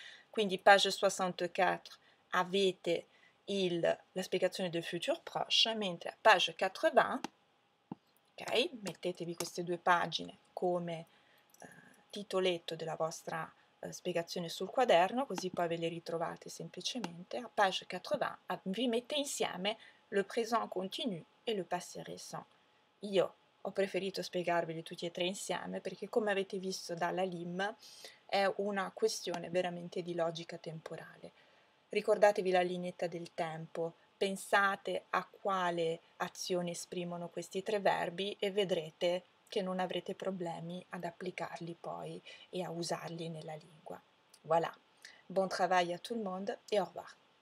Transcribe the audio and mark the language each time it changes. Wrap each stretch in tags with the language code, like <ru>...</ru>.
<it>Quindi, page 64, avete la spiegazione del futur proche, mentre a page 80, ok, mettetevi queste due pagine come titoletto della vostra spiegazione sul quaderno, così poi ve le ritrovate semplicemente. A page 80 vi mette insieme le présent continu e le passé récent. Io ho preferito spiegarveli tutti e tre insieme perché, come avete visto dalla LIM, è una questione veramente di logica temporale. Ricordatevi la lineetta del tempo, pensate a quale azione esprimono questi tre verbi e vedrete che non avrete problemi ad applicarli poi e a usarli nella lingua.</it> <fr>Voilà. Bon travail à tout le monde et au revoir.</fr>